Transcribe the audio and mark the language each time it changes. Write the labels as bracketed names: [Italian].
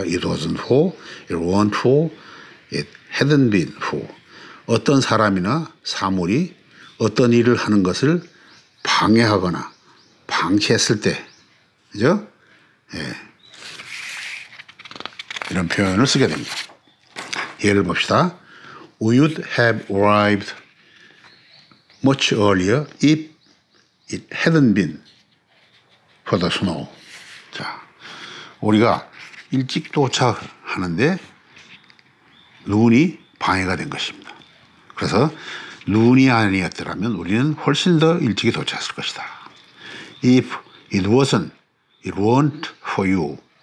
[English] It wasn't for, it weren't for, it hadn't been for. [Korean] 어떤 사람이나 사물이 어떤 일을 하는 것을 방해하거나 방치했을 때, 그죠? 예. 이런 표현을 쓰게 됩니다. 예를 봅시다. [English] We would have arrived much earlier if it hadn't been for the snow. [Korean] 자, 우리가 일찍 도착하는데 눈이 방해가 된 것입니다. 그래서 눈이 아니었더라면 우리는 훨씬 더 일찍 도착했을 것이다. [English] If it wasn't, it weren't for you.